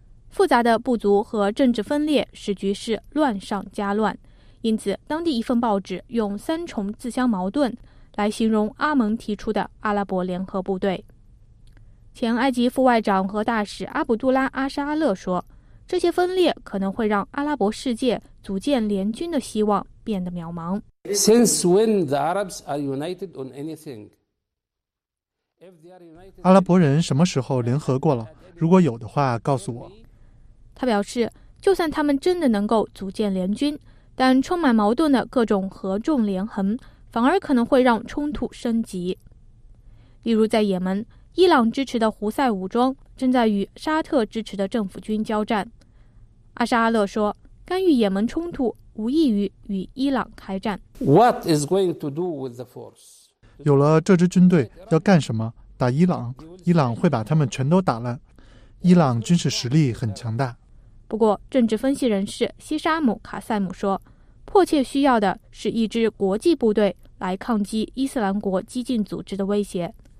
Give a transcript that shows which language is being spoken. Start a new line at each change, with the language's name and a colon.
Chinese: 复杂的部族和政治分裂使局势乱上加乱，因此当地一份报纸用三重自相矛盾来形容阿盟提出的阿拉伯联合部队。前埃及副外长和大使阿卜杜拉·阿沙阿勒说，这些分裂可能会让阿拉伯世界组建联军的希望变得渺茫。
English: Since when the Arabs are united on anything? If they are united,
Chinese: 阿拉伯人什么时候联合过了？如果有的话，告诉我。他表示，就算他们真的能够组建联军，但充满矛盾的各种合纵连横，反而可能会让冲突升级。例如，在也门，伊朗支持的胡塞武装正在与沙特支持的政府军交战。阿沙阿勒说，干预也门冲突无异于与伊朗开战。
English: What is going to do with the force?
Chinese: 有了这支军队要干什么？打伊朗，伊朗会把他们全都打烂。伊朗军事实力很强大。不过，政治分析人士西沙姆·卡塞姆说，迫切需要的是一支国际部队来抗击伊斯兰国激进组织的威胁。